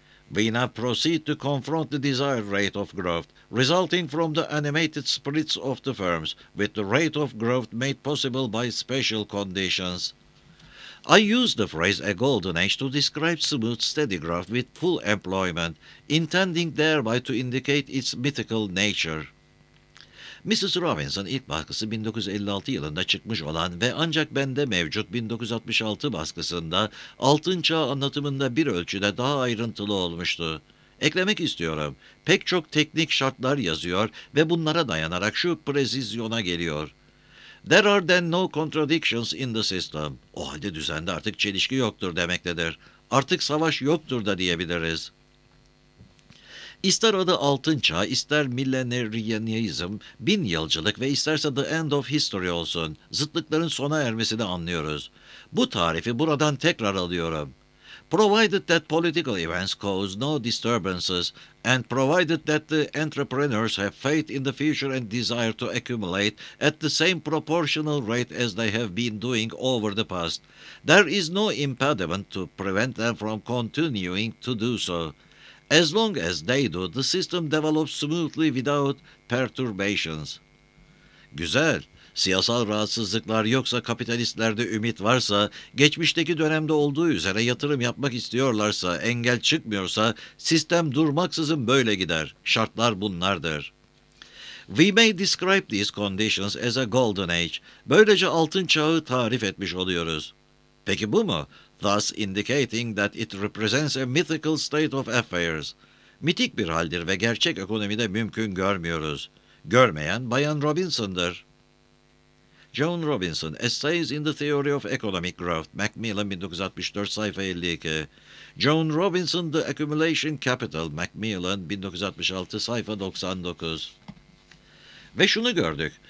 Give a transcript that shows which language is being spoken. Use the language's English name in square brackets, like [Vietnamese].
[English] We now proceed to confront the desired rate of growth, resulting from the animated spirits of the firms, with the rate of growth made possible by special conditions. I use the phrase a golden age to describe smooth, steady growth with full employment, intending thereby to indicate its mythical nature. Mrs. [Turkish] Robinson ilk baskısı 1956 yılında çıkmış olan ve ancak bende mevcut 1966 baskısında altın çağı anlatımında bir ölçüde daha ayrıntılı olmuştu. Eklemek istiyorum, pek çok teknik şartlar yazıyor ve bunlara dayanarak şu prezisyona geliyor. [English] There are then no contradictions in the system. [Turkish] O halde düzende artık çelişki yoktur demektedir. Artık savaş yoktur da diyebiliriz. İster adı altın çağ, ister millenarianism, bin yılcılık ve isterse [English] the end of history [Turkish] olsun, zıtlıkların sona ermesini anlıyoruz. Bu tarifi buradan tekrar alıyorum. [English] Provided that political events cause no disturbances and provided that the entrepreneurs have faith in the future and desire to accumulate at the same proportional rate as they have been doing over the past, there is no impediment to prevent them from continuing to do so. As long as they do, the system develops smoothly without perturbations. [Turkish] Güzel. Siyasal rahatsızlıklar yoksa, kapitalistlerde ümit varsa, geçmişteki dönemde olduğu üzere yatırım yapmak istiyorlarsa, engel çıkmıyorsa, sistem durmaksızın böyle gider. Şartlar bunlardır. [English] We may describe these conditions as a golden age. [Turkish] Böylece altın çağı tarif etmiş oluyoruz. Peki bu mu? [English] Thus indicating that it represents a mythical state of affairs. [Turkish] Mitik bir haldir ve gerçek ekonomide mümkün görmüyoruz. Görmeyen Bayan Robinson'dır. Joan Robinson, Essays in the Theory of Economic Growth, Macmillan 1964, sayfa 52. Joan Robinson, The Accumulation Capital, Macmillan 1966, sayfa 99. Ve şunu gördük.